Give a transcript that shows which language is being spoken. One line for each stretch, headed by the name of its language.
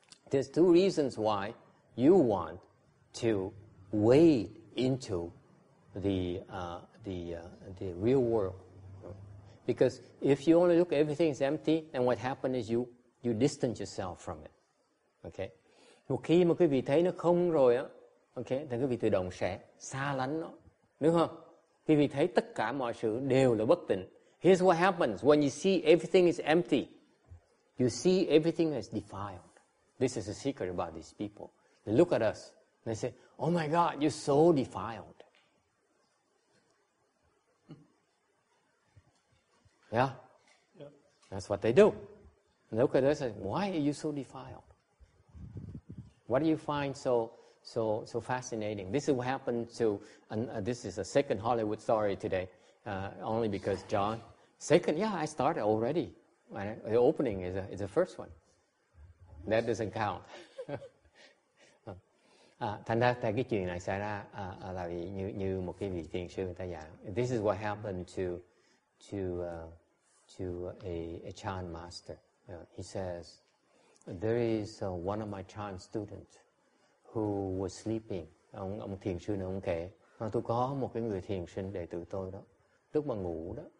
English: There's two reasons why you want to wade into the real world. Because if you only look everything is empty, then what happens is you distance yourself from it. Okay?
Vietnamese: Một khi mà quý vị thấy nó không rồi á, okay, thì quý vị tự động sẽ xa lánh nó. Đúng không? Quý vị thấy tất cả mọi sự đều là bất tịnh.
English: Here's what happens. When you see everything is empty, you see everything is defiled. This is the secret about these people. They look at us. They say, oh my God, you're so defiled. Yeah? Yep. That's what they do. They look at us and say, why are you so defiled? What do you find so fascinating? This is what happened to, and this is a second Hollywood story today, only because John, second, yeah, I started already. The opening is the first one. That doesn't count.
Vietnamese: Thành ra cái chuyện này xảy ra là vì như một cái vị thiền sư người ta giảng.
English: This is what happened to a chan master. He says, there is one of my chan students who was sleeping.
Vietnamese: Ông thiền sư này ông kể, tôi có một cái người thiền sinh đệ tử tôi đó, lúc mà ngủ đó,